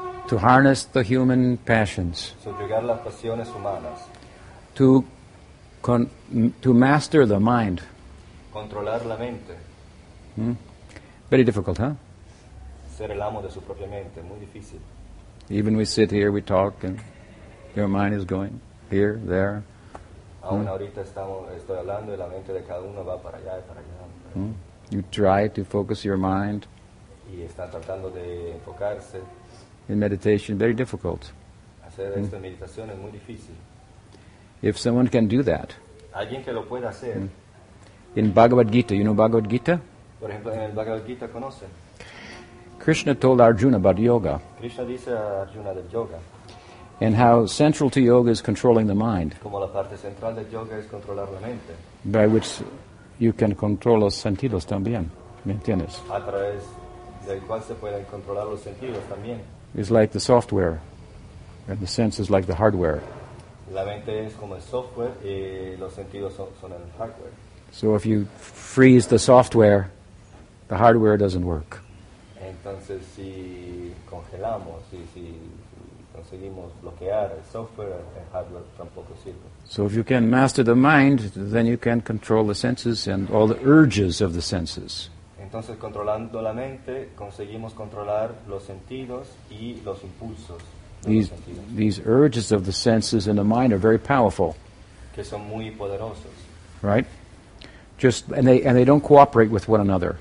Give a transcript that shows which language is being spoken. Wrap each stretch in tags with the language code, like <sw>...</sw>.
<en>To harness the human passions.</en> <es>Subyugar las pasiones humanas.</es> <en>To master the mind.</en> <es>Controlar la mente.</es> <en>Very difficult, huh?</en> <es>Ser el amo de su propia mente, muy difícil.</es> <en>Even we sit here, we talk, and your mind is going here, there.</en> <es>Aún ahorita estoy hablando y la mente de cada uno va para allá y para allá.</es> <en>You try to focus your mind.</en> <es>Y está tratando de enfocarse.</es> <en>In meditation, very difficult.</en> <es>Hacer esto en meditación es muy difícil.</es> <en>If someone can do that.</en> <es>Alguien que lo pueda hacer.</es> <en>In Bhagavad Gita, you know Bhagavad Gita?</en> <es>Por ejemplo, en el Bhagavad Gita, ¿conoce?</es> <en>Krishna told Arjuna about yoga.</en> <es>Krishna dice a Arjuna del yoga.</es> <en>And how central to yoga is controlling the mind.</en> <es>Como la parte central del yoga es controlar la mente.</es> <en>By which you can control</en> <es>los sentidos también. ¿Me entiendes? A través del cual se pueden controlar los sentidos también.</es> <en>It's like the software. And the sense is like the hardware.</en> <es>La mente es como el software y los sentidos son el hardware.</es> <en>So if you freeze the software, the hardware doesn't work.</en> <es>Entonces, si congelamos, si conseguimos bloquear el software, el hardware tampoco sirve.</es> <en>So if you can master the mind, then you can control the senses and all the urges of the senses.</en> <es>Entonces, controlando la mente, conseguimos controlar los sentidos y los impulsos.</es> <en>These urges of the senses and the mind are very powerful.</en> <es>Que son muy poderosos.</es> <en>Right? Just and they don't cooperate with one another.</en>